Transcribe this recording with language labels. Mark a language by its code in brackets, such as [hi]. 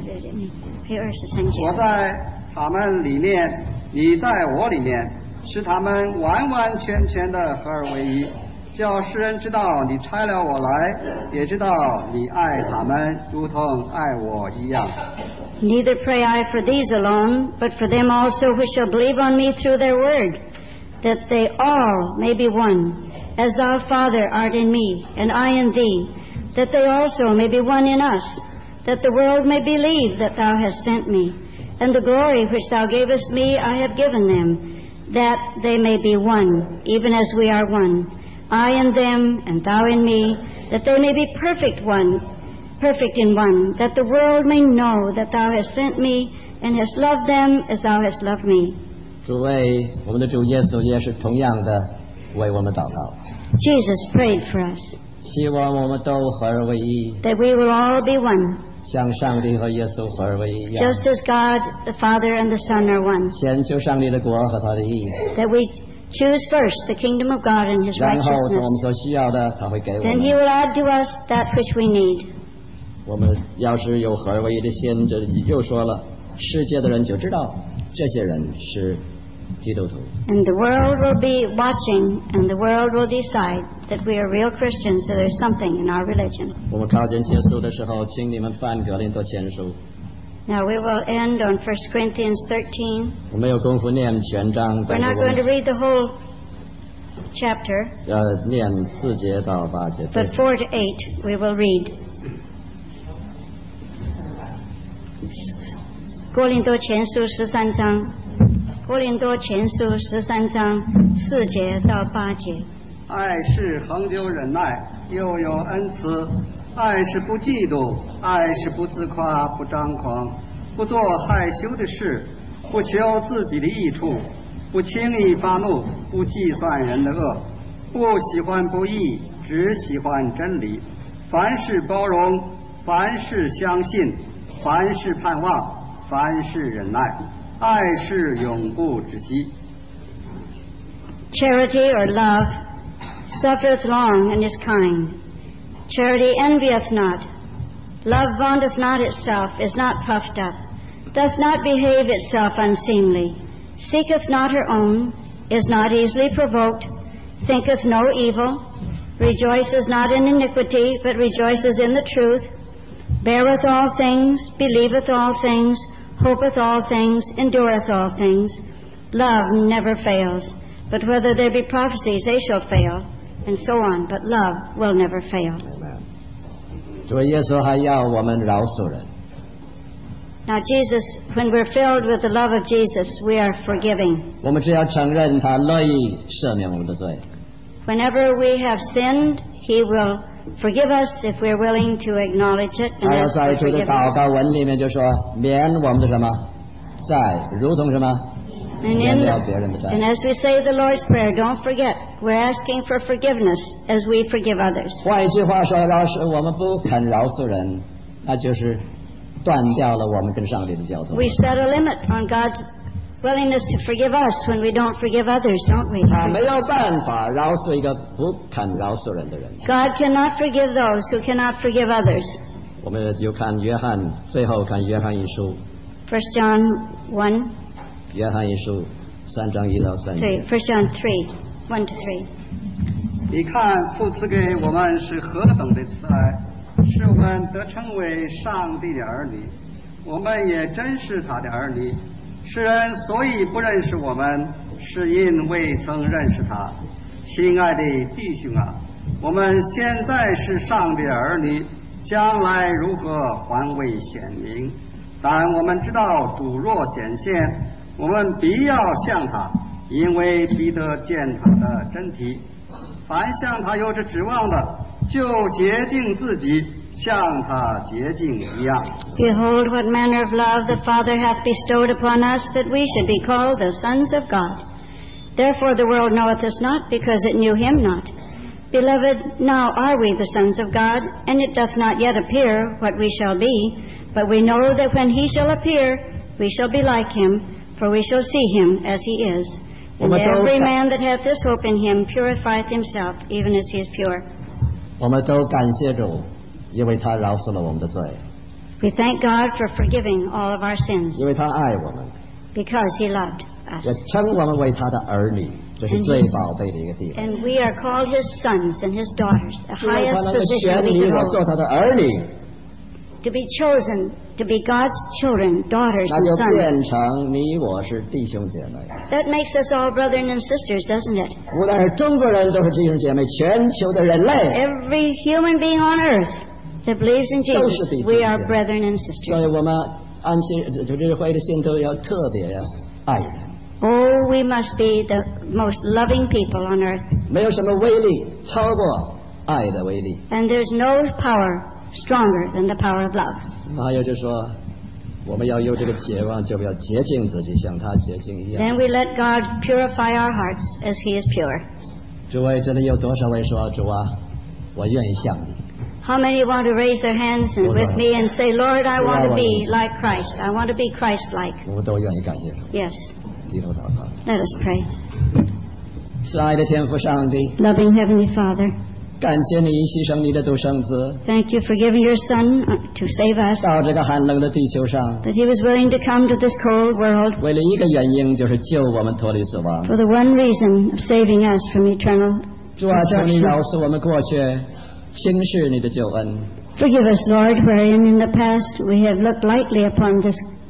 [zh] 我在他们里面，你在我里面，使他们完完全全的合而为一，叫世人知道你差了我来，也知道你爱他们如同爱我一样。 [en] Neither pray I for these alone, but for them also who shall believe on me through their word, that they all may be one, as thou, Father, art in me, and I in thee, that they also may be one in us, that the world may believe that thou hast sent me. And the glory which thou gavest me I have given them, that they may be one, even as we are one, I in them, and thou in me, that they may be perfect in one, that the world may know that thou hast sent me and hast loved them as thou hast loved me. [zh] 主位，我们的主耶稣也是同样的为我们祷告。 [en] Jesus prayed for us. [zh] 希望我们都合而为一。 [en] That we will all be one. [zh] 像上帝和耶稣合而为一样。 [en] Just as God, the Father, and the Son are one. [zh] 先求上帝的国和他的义。 [en] That we choose first the kingdom of God and his righteousness. [zh] 然后我们所需要的他会给我们。 [en] Then he will add to us that which we need. [zh] 我们要是有合而为一的心，这又说了，世界的人就知道这些人是基督徒。 [en] And the world will be watching, and the world will decide that we are real Christians, so there's something in our religion. [zh] 我们靠近结束的时候，请你们翻格林多前书。 [en] Now we will end on 1 Corinthians 13. [zh] 我没有功夫念全章。 [en] We're not going to read the whole chapter. [zh] 念四节到八节。 [en] But 4-8, we will read. [zh] 哥林多前书十三章，哥林多前书十三章四节到八节。爱是恒久忍耐，又有恩慈；爱是不嫉妒，爱是不自夸，不张狂，不做害羞的事，不求自己的益处，不轻易发怒，不计算人的恶，不喜欢不义，只喜欢真理。凡事包容，凡事相信。凡事盼望，凡事忍耐，爱是永不止息。 [en] Charity or love suffereth long and is kind. Charity envieth not. Love vaunteth not itself, is not puffed up, doth not behave itself unseemly, seeketh not her own, is not easily provoked, thinketh no evil, rejoices not in iniquity, but rejoices in the truth. Beareth all things, believeth all things, hopeth all things, endureth all things. Love never fails. But whether there be prophecies, they shall fail. And so on. But love will never fail. Amen. [zh] 主耶稣还要我们饶恕人。 [en] Now Jesus, when we're filled with the love of Jesus, we are forgiving. [zh] 我们只要承认他乐意赦免我们的罪。 [en] Whenever we have sinned, he willwill forgive us if we're willing to acknowledge it. [zh] 还有在主的祷告文里面就说，免我们的什么债，如同什么免掉别人的债。 [en] And as we say the Lord's Prayer, don't forget, we're asking for forgiveness as we forgive others. [zh] 换一句话说，要是我们不肯饶恕人，那就是断掉了我们跟上帝的交通。 [en] We set a limit on God's willingness to forgive us when we don't forgive others, don't we? [zh] 他没有办法饶恕一个不肯饶恕人的人。 [en] God cannot forgive those who cannot forgive others. [zh] 我们就看约翰，最后看约翰一书。 [en] First John 1. [zh] 约翰一书三章一到三节。对 [en] ，First John 3:1-3. [zh] 你看父赐给我们是何等的慈爱，使我们得称为上帝的儿女，我们也真是他的儿女。世人所以不认识我们，是因未曾认识他。亲爱的弟兄啊，我们现在是上帝儿女，将来如何还未显明，但我们知道主若显现，我们必要像他，因为必得见他的真体。凡向他有着指望的，就洁净自己，像他洁净一样。 [en] Behold what manner of love the Father hath bestowed upon us, that we should be called the sons of God. Therefore the world knoweth us not, because it knew him not. Beloved, now are we the sons of God, and it doth not yet appear what we shall be, but we know that when he shall appear, we shall be like him, for we shall see him as he is. And every man that hath this hope in him purifieth himself, even as he is pure. [zh] 我们都感谢主，因为他饶恕了我们的罪。 [en] We thank God for forgiving all of our sins. [zh] 因为他爱我们。 [en] Because he loved us. [zh] 也称我们为他的儿女，这是最宝贝的一个地方。 [en] And we are called his sons and his daughters, the highest position we can hold. [zh] 他的儿女。 [en] To be chosen to be God's children, daughters and sons. [zh] 那就变成你我是弟兄姐妹。 [en] That makes us all brothers and sisters, doesn't it? [zh] 无论是中国人都是弟兄姐妹，全球的人类。 [en] Every human being on earth that believes in Jesus, we are brethren and sisters. [zh] 所以我们安息日会的信徒要特别爱人。 [en] Oh, we must be the most loving people on earth. [zh] 没有什么威力超过爱的威力。 [en] And there's no power. Stronger than the power of love. [zh] 还有就是说，我们要有这个指望，就要洁净自己，像他洁净一样。 [en] Then we let God purify our hearts as He is pure. [zh] 诸位，这里有多少位说主啊，我愿意像你 [en] ？How many want to raise their hands and with me and say, Lord, I want to be like Christ. I want to be Christ-like. [zh] 我都愿意感谢主。 [en] Yes. [zh] 低头祷告。 [en] Let us pray. [zh] 慈爱的天父上帝。 [en] Loving Heavenly Father. [zh] 感谢你牺牲你的独生子 [en] Thank you for giving your son to save us. [zh] 到这个寒冷的地球上 [en] That he was willing to come to this cold world. [zh] 为了一个原因就是救我们脱离死亡 [en] For the one reason of saving us from eternal destruction. [zh] 主啊请你饶恕我们过去轻视你的救恩 [en] Forgive us Lord wherein in the past we have looked lightly upon this gift.